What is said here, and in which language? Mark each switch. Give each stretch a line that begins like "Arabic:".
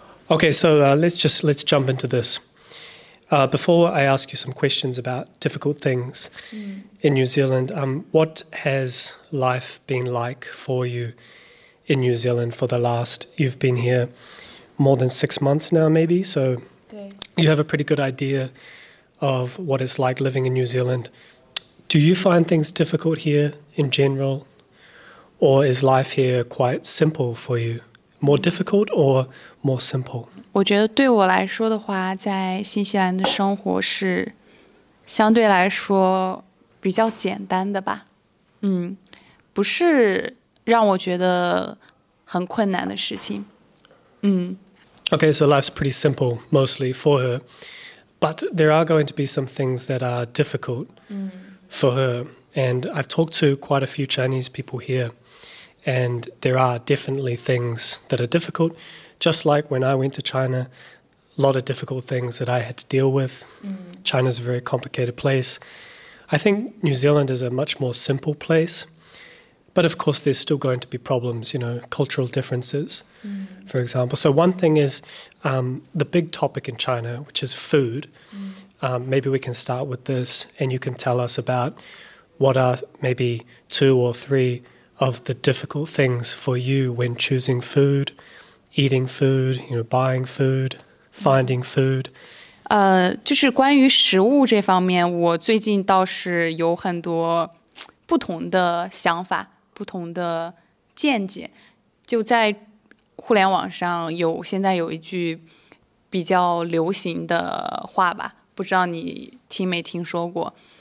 English: Okay, so let's jump into this. Before I ask you some questions about difficult things in New Zealand, what has life been like for you in New Zealand for the last, you've been here more than 6 months now maybe, so you have a pretty good idea of what it's like living in New Zealand. Do you find things difficult here in general, or is life here quite simple for you? More difficult or more simple?
Chinese: 我觉得对我来说的话，在新西兰的生活是相对来说比较简单的吧。不是让我觉得很困难的事情。
English: Okay, so life's pretty simple mostly for her. But there are going to be some things that are difficult for her. And I've talked to quite a few Chinese people here. And there are definitely things that are difficult. Just like when I went to China, a lot of difficult things that I had to deal with. China's a very complicated place. I think New Zealand is a much more simple place. But of course, there's still going to be problems, you know, cultural differences, for example. So one thing is the big topic in China, which is food. Maybe we can start with this and you can tell us about what are maybe two or threeof the difficult things for you when choosing food, eating food, you know, buying food, finding food.
Chinese: 就是关于食物这方面，我最近倒是有很多不同的想法，不同的见解。就在互联网上有，现在有一句比较流行的话吧，不知道你听没听说过。